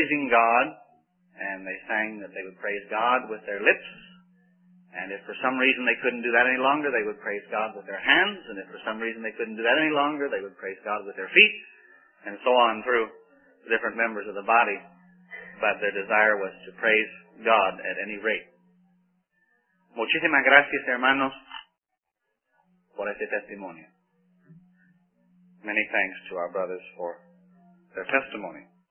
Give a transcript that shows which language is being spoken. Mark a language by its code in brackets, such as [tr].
[en] God, and they sang that they would praise God with their lips, and if for some reason they couldn't do that any longer, they would praise God with their hands, and if for some reason they couldn't do that any longer, they would praise God with their feet, and so on through the different members of the body. But their desire was to praise God at any rate. [es] Muchísimas gracias, hermanos, por este testimonio. [en] Many thanks to our brothers for their testimony.